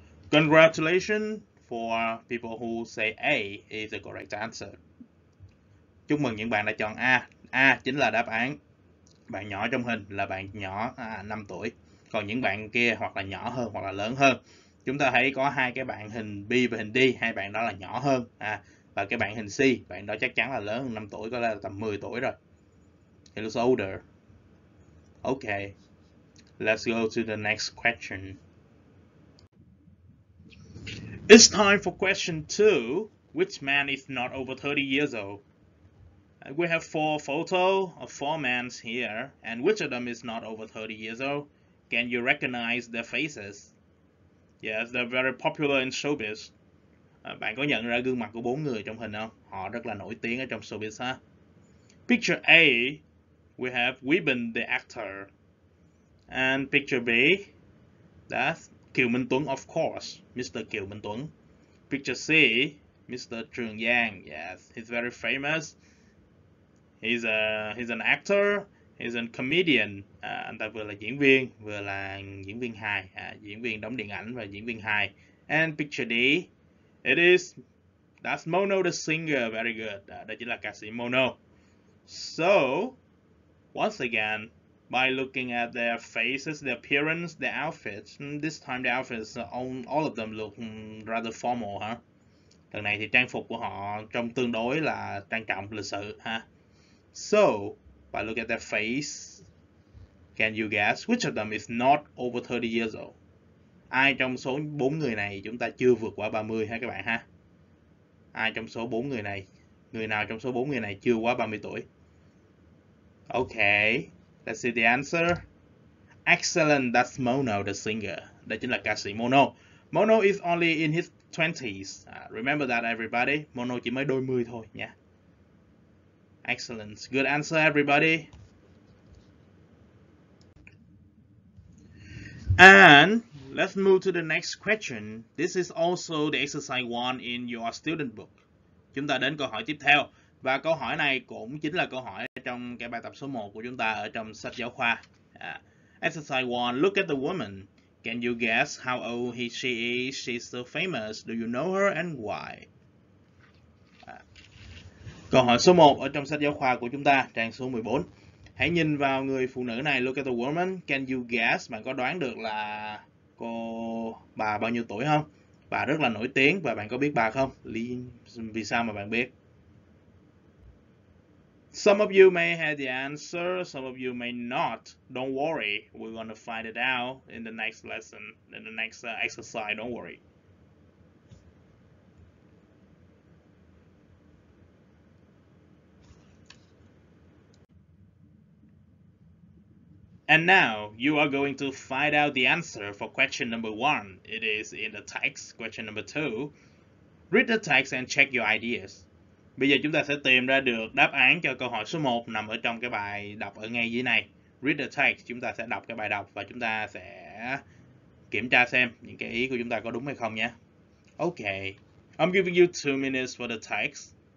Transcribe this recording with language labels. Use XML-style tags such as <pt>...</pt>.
<en>Congratulations for people who say A is the correct answer.</en> <vi>Chúc mừng những bạn đã chọn A. A chính là đáp án. Bạn nhỏ trong hình là bạn nhỏ 5 tuổi. Còn những bạn kia hoặc là nhỏ hơn hoặc là lớn hơn. Chúng ta thấy có hai cái bạn hình B và hình D, hai bạn đó là nhỏ hơn. Và cái bạn hình C, bạn đó chắc chắn là lớn hơn 5 tuổi, có lẽ là tầm 10 tuổi rồi.</vi> <en>He looks older. Okay, let's go to the next question. It's time for question 2. Which man is not over 30 years old? We have 4 photos of 4 men here. And which of them is not over 30 years old? Can you recognize their faces? Yes, they're very popular in showbiz.</en> <vi>Bạn có nhận ra gương mặt của 4 người trong hình không? Họ rất là nổi tiếng ở trong showbiz ha.</vi> <en>Picture A, we have Weben the actor. And picture B, that's Kiều Minh Tuấn, of course, Mr. Kiều Minh Tuấn. Picture C, Mr. Trường Giang. Yes, he's very famous. He's an actor. Hazen comedian,</en> <vi>anh ta vừa là diễn viên, vừa là diễn viên hài, diễn viên đóng điện ảnh và diễn viên hài.</vi> <en>And picture D, it is, that's Mono the singer, very good.</en> <vi>Đây chính là ca sĩ Mono.</vi> <en>So, once again, by looking at their faces, their appearance, their outfits, this time the outfits, all of them look rather formal, hả?</en> <vi>Lần này thì trang phục của họ trông tương đối là trang trọng, lịch sự, ha?</vi> <en>So, by looking at their face, can you guess which of them is not over 30 years old?</en> <vi>Ai trong số 4 người này chúng ta chưa vượt qua 30 ha các bạn ha? Ai trong số 4 người này? Người nào trong số 4 người này chưa quá 30 tuổi?</vi> <en>Okay, let's see the answer. Excellent, that's Mono the singer.</en> <vi>Đây chính là ca sĩ Mono.</vi> <en>Mono is only in his 20s. Remember that everybody.</en> <vi>Mono chỉ mới đôi mươi thôi nha.</vi> <en>Excellent. Good answer everybody. And let's move to the next question. This is also the exercise one in your student book.</en> <vi>Chúng ta đến câu hỏi tiếp theo. Và câu hỏi này cũng chính là câu hỏi trong cái bài tập số 1 của chúng ta ở trong sách giáo khoa.</vi> <en>Exercise 1, look at the woman. Can you guess how old he she is? She's so famous. Do you know her and why?</en> <vi>Câu hỏi số 1 ở trong sách giáo khoa của chúng ta, trang số 14. Hãy nhìn vào người phụ nữ này,</vi> <en>look at the woman. Can you guess,</en> <vi>bạn có đoán được là cô bà bao nhiêu tuổi không? Bà rất là nổi tiếng và bạn có biết bà không? Vì sao mà bạn biết?</vi> <en>Some of you may have the answer, some of you may not. Don't worry, we're gonna find it out in the next lesson, in the next exercise. Don't worry. And now you are going to find out the answer for question number one. It is in the text. Question number two. Read the text and check your ideas.</en> <vi>Bây giờ chúng ta sẽ tìm ra được đáp án cho câu hỏi số 1 nằm ở trong cái bài đọc ở ngay dưới này.</vi> <en>Read the text,</en> <vi>chúng ta sẽ đọc cái bài đọc và chúng ta sẽ kiểm tra xem những cái ý của chúng ta có đúng hay không nhé.</vi> <en>Okay, I'm giving you 2 minutes for the text.</en>